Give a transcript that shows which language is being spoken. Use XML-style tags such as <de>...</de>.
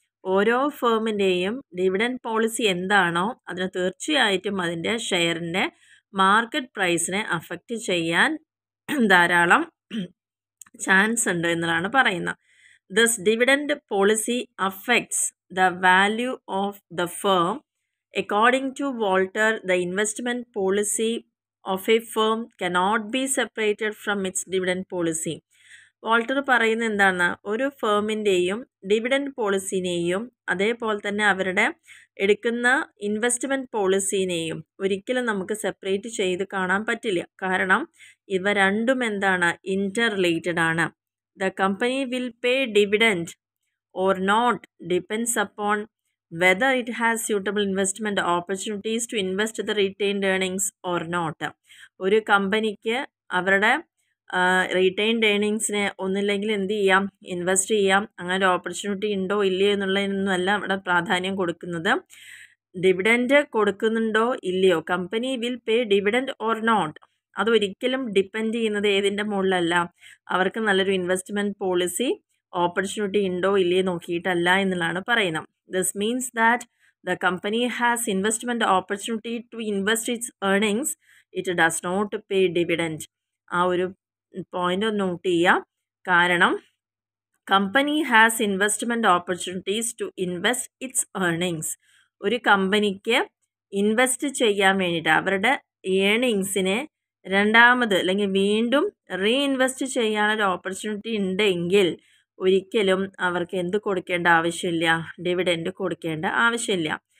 <ml>ഓരോ ഫേമിൻ്റെയും dividend policy എന്താണോ അതിന് തീർച്ചയായിട്ടും അതിൻ്റെ ഷെയറിൻ്റെ മാർക്കറ്റ് പ്രൈസിനെ അഫക്റ്റ് ചെയ്യാൻ ധാരാളം ചാൻസ് ഉണ്ട് എന്നുള്ളതാണ് പറയുന്നത്.</ml> <en>This dividend policy affects the value of the firm. According to Walter, the investment policy of a firm cannot be separated from its dividend policy.</en> <ml>Walter പറയുന്നത് എന്താണ്? ഒരു ഫേമിൻ്റെയും ഡിവിഡൻഡ് പോളിസിനെയും അതേപോലെ തന്നെ അവരുടെ എടുക്കുന്ന ഇൻവെസ്റ്റ്മെൻറ്റ് പോളിസിനെയും ഒരിക്കലും നമുക്ക് സെപ്പറേറ്റ് ചെയ്ത് കാണാൻ പറ്റില്ല. കാരണം ഇവ രണ്ടും എന്താണ്? ഇൻ്റർറിലേറ്റഡ് ആണ്.</ml> <en>The company will pay dividend or not depends upon whether it has suitable investment opportunities to invest the retained earnings or not.</en> <ml>ഒരു കമ്പനിക്ക് അവരുടെ റീറ്റെയിൻഡ് ഏണിങ്സിനെ ഒന്നില്ലെങ്കിൽ എന്ത് ചെയ്യാം, ഇൻവെസ്റ്റ് ചെയ്യാം, അങ്ങനെ ഓപ്പർച്യൂണിറ്റി ഉണ്ടോ ഇല്ലയോ എന്നുള്ളതിനൊന്നുമല്ല അവിടെ പ്രാധാന്യം കൊടുക്കുന്നത്. ഡിവിഡൻഡ് കൊടുക്കുന്നുണ്ടോ ഇല്ലയോ,</ml> <en>company will pay dividend or not,</en> <ml>അതൊരിക്കലും ഡിപ്പെൻഡ് ചെയ്യുന്നത് ഏതിൻ്റെ മുകളിലല്ല, അവർക്ക് നല്ലൊരു ഇൻവെസ്റ്റ്മെൻറ്റ് പോളിസി ഓപ്പർച്യൂണിറ്റി ഉണ്ടോ ഇല്ലയോ നോക്കിയിട്ടല്ല എന്നുള്ളതാണ് പറയുന്നത്.</ml> <en>This means that the company has investment opportunity to invest its earnings. It does not pay dividend.</en> <ml>ആ ഒരു പോയിന്റ് നോട്ട് ചെയ്യുക.</ml> <en>കാരണം company has investment opportunities to invest its earnings.</en> <ml>ഒരു കമ്പനിക്ക് ഇൻവെസ്റ്റ് ചെയ്യാൻ വേണ്ടിയിട്ട് അവരുടെ ഏണിങ്സിനെ രണ്ടാമത് അല്ലെങ്കിൽ വീണ്ടും റീഇൻവെസ്റ്റ് ചെയ്യാനൊരു ഓപ്പർച്യൂണിറ്റി ഉണ്ടെങ്കിൽ ഒരിക്കലും അവർക്ക് എന്ത് കൊടുക്കേണ്ട ആവശ്യമില്ല, ഡിവിഡൻഡ് കൊടുക്കേണ്ട ആവശ്യമില്ല.</ml>